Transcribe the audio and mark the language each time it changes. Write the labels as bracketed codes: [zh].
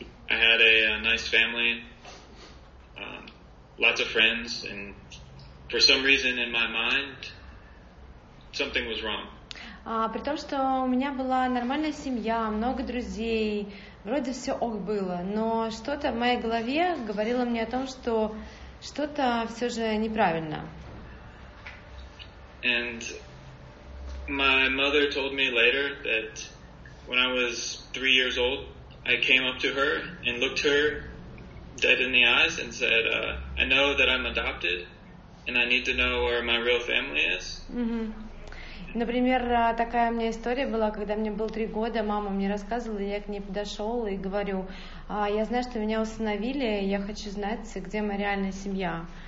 [en] I had a nice family, lots of friends, and for some reason in my mind, something was wrong. [ru] При том, что у меня была нормальная семья, много друзей, вроде все ок было, но что-то в моей голове говорило мне о том, что что-то все же неправильно. [en] And my mother told me later that when I was 3 years old, I came up to her and looked her dead in the eyes and said, "I know that I'm adopted, and I need to know where my real family is." [ru] Например, такая у меня история была, когда мне было 3 года, мама мне рассказывала, я к ней подошел и говорю, "Я знаю, что меня усыновили, я хочу знать, где моя реальная семья."